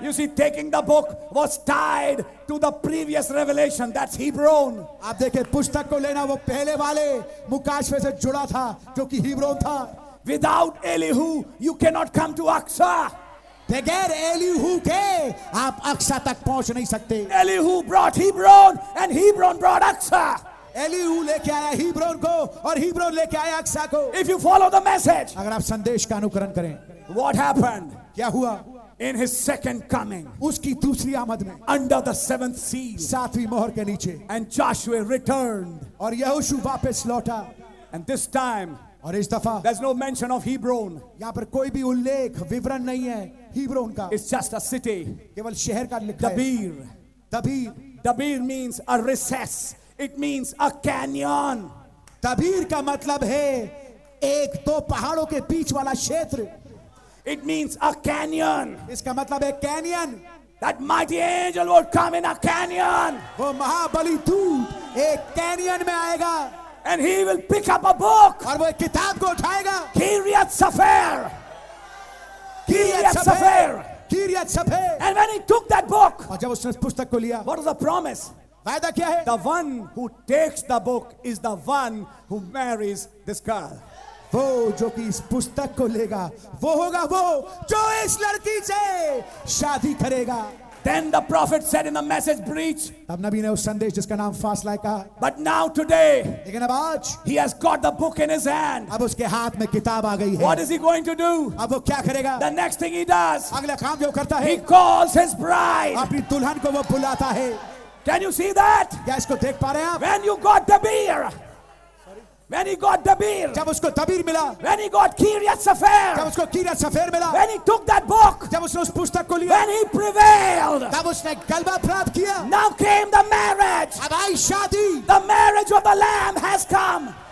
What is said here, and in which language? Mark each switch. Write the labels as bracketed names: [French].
[English] you see taking the book was tied to the previous revelation that's Hebron [Hindi] आप देखें पुस्तक को लेना वो पहले वाले मुकाशवे से जुड़ा था जो कि हिब्रोन था [English] without Elihu you cannot come to Aksa [Hindi] बगैर एलीहू के आप अक्सा तक पहुंच नहीं सकते [English] Elihu brought Hebron and Hebron brought Achsah [Hindi] Elihu लेके आया हिब्रोन को और हिब्रोन लेके आया अक्सा को [English] if you follow the message [Hindi] अगर आप संदेश का अनुकरण करें [English] what happened [Hindi] क्या हुआ [English] in his second coming [Hindi] उसकी दूसरी आमद में [English] under the seventh seal [Hindi] सातवीं मोहर के नीचे [English] and Joshua returned [Hindi] और यहोशू वापस लौटा [English] and this time [Hindi] और इस दफा [English] there is no mention of Hebron [Hindi] यहां पर कोई भी उल्लेख विवरण नहीं है Hebron का [English] it's just a city [Hindi] केवल शहर का लिखा है दबीर दबीर [English] Debir means a recess it means a canyon [Hindi] दबीर का मतलब है एक दो पहाड़ों के बीच वाला क्षेत्र [English] it means a canyon [Hindi] इसका मतलब है canyon [English] That mighty angel would come in a canyon [Hindi] वो महाबली दूत एक कैनियन में आएगा [English] and he will pick up a book [Hindi] और वो एक किताब को उठाएगा Kiriath Sefer Kiriath Sefer [English] and when he took that book [Hindi] और जब उसने पुस्तक को लिया [English] what was the promise [Hindi] वायदा क्या है [English] the one who takes the book is the one who marries this girl [Hindi] वो जो कि इस पुस्तक को लेगा वो होगा वो जो इस लड़की से शादी करेगा [English] Then the prophet said in the message breach. [Hindi] तब नबी ने उस संदेश जिसका नाम फास्ट लाइक कहा. [English] But now today. [Hindi] लेकिन अब आज. [English] He has got the book in his hand. [Hindi] अब उसके हाथ में किताब आ गई है. [English] What is he going to do? [Hindi] अब वो क्या करेगा? [English] The next thing he does. [Hindi] अगला काम जो करता है. [English] He calls his bride. [Hindi] अपनी दुल्हन को वो बुलाता है. [English] Can you see that? [Hindi] क्या इसको देख पा रहे हैं आप? [English] When you got the beer. When he got Dabir, [Hindi] जब उसको दबीर मिला, [English] when he got Kiriath Sefer, [Hindi] जब उसको Kiriath Sefer मिला, [English] when he took that book, [Hindi] जब उसने उस पुस्तक को लिया, [English] when he prevailed, [Hindi] तब उसने गलबा प्राप्त किया, [English] now came the marriage, [Hindi] अब आई शादी, [English] the marriage of the Lamb has come.